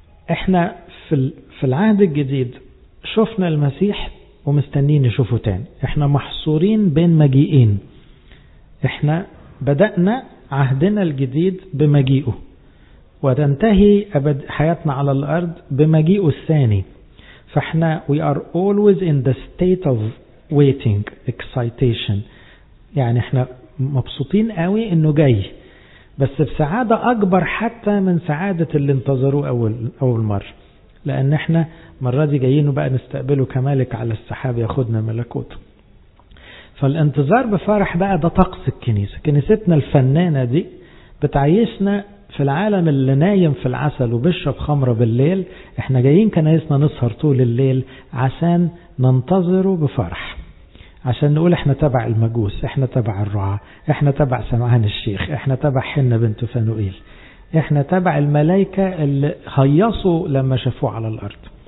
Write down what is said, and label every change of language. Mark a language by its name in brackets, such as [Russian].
[Arabic] احنا في العهد الجديد شفنا المسيح ومستنين نشوفه تاني، احنا محصورين بين مجيئين. احنا بدأنا عهدنا الجديد بمجيئه، وتنتهي حياتنا على الأرض بمجيئه الثاني. فإحنا [English] we are always in the state of waiting, excitation. [Arabic] يعني إحنا مبسوطين قوي إنه جاي، بس بسعادة أكبر حتى من سعادة اللي انتظروا أول مرة. لان احنا مره دي جايين وبقى نستقبله كمالك على السحاب ياخدنا ملكوته. فالانتظار بفرح بقى ده طقس الكنيسة. كنيستنا الفنانة دي بتعيشنا في العالم اللي نايم في العسل وبشرب خمرة بالليل، احنا جايين كنايسنا نسهر طول الليل عشان ننتظره بفرح، عشان نقول احنا تبع المجوس، احنا تبع الرعاة، احنا تبع سمعان الشيخ، احنا تبع حنة بنت فانوئيل، احنا تبع الملائكة اللي هيصوا لما شافوه على الارض.